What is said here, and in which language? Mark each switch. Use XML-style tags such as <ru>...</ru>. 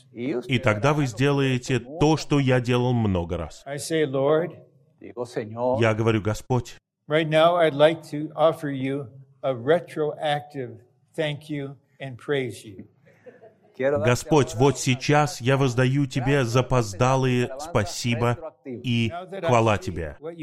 <ru>И тогда вы сделаете то, что я делал много раз.</ru> <en>I say, Lord,</en> <ru>я говорю, Господь,</ru> <en>right now I'd like to offer you a retroactive thank you and praise you.</en> <ru>Господь, вот сейчас я воздаю тебе запоздалые спасибо и хвала тебе.</ru>